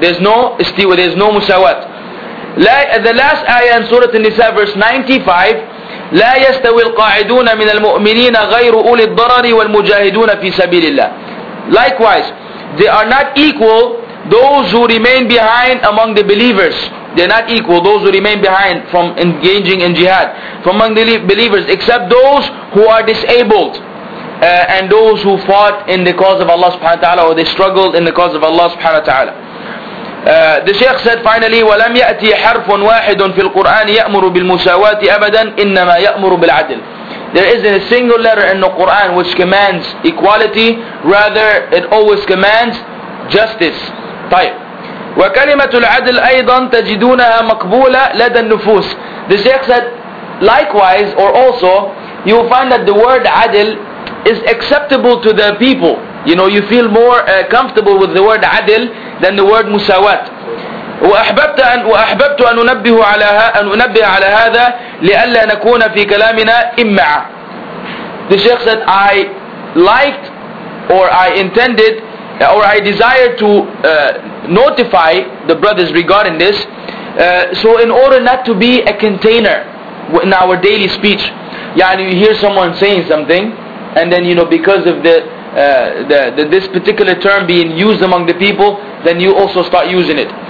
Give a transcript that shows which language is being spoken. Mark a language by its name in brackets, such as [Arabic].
[English] There's no استوى. There's no مساوات. The last ayah in Surah An-Nisa, verse 95. [Arabic] لا يستوى القاعدون من المؤمنين غير أولي الضرر والمجاهدون في سبيل الله. [English] Likewise, they are not equal those who remain behind among the believers. They're not equal those who remain behind from engaging in jihad from among the believers, except those who are disabled. And those who fought in the cause of Allah subhanahu wa ta'ala, or they struggled in the cause of Allah subhanahu wa ta'ala. The Shaykh said finally, [Arabic] وَلَمْ يَأْتِي حَرْفٌ وَاحِدٌ فِي الْقُرْآنِ يَأْمُرُ بِالْمُسَاوَاتِ أَبَدًا إِنَّمَا يَأْمُرُ بِالْعَدْلِ. [English] There isn't a single letter in the Quran which commands equality, rather it always commands justice. [Arabic] طيب. وَكَلِمَةُ الْعَدْلِ أَيْضًا تَجِدُونَهَا مَقْبُولَ لَدَ النُّفُوسِ. [English] The Shaykh said, likewise or also, you will find that the word عَدْل is acceptable to the people. You know, you feel more comfortable with the word عدل than the word مساوات. [Arabic] وأحببت أن ننبه على هذا لألا نكون في كلامنا إمعة. [English] The Shaykh said, I liked or I intended or I desired to notify the brothers regarding this so in order not to be a container in our daily speech. يعني you hear someone saying something, and then you know because of this particular term being used among the people, then you also start using it.